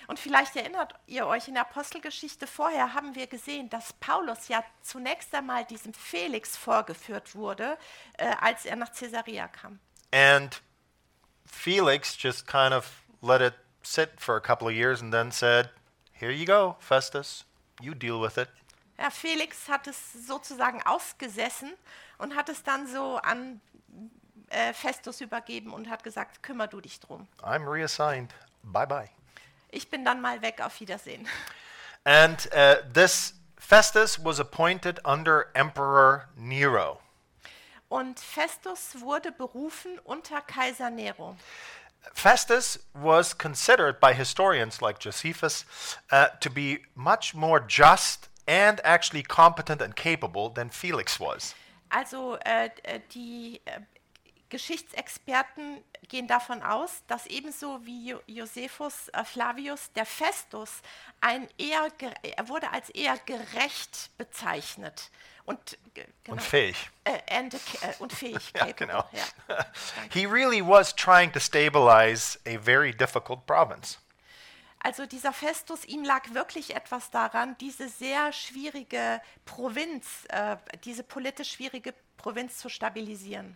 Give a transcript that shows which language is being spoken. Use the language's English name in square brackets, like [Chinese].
[German] Und vielleicht erinnert ihr euch, in der Apostelgeschichte vorher haben wir gesehen, dass Paulus ja zunächst einmal diesem Felix vorgeführt wurde, als er nach Caesarea kam. [English] And Felix just kind of let it sit for a couple of years and then said, here you go, Festus, you deal with it. [German] Ja, Felix hat es sozusagen ausgesessen und hat es dann so an Festus übergeben und hat gesagt, kümmer du dich drum. [English] I'm reassigned. Bye bye. [German] Ich bin dann mal weg, auf Wiedersehen. [English] And this Festus was appointed under Emperor Nero. [German] Und Festus wurde berufen unter Kaiser Nero. [English] Festus was considered by historians like Josephus to be much more just and actually competent and capable than Felix was. [German] Also die Geschichtsexperten gehen davon aus, dass ebenso wie Josephus Flavius der Festus er wurde als eher gerecht bezeichnet und genau, und fähig und fähig ja, capable, genau. Ja. [English] He really was trying to stabilize a very difficult province. [German] Also dieser Festus, ihm lag wirklich etwas daran, diese sehr schwierige Provinz, diese politisch schwierige Provinz zu stabilisieren.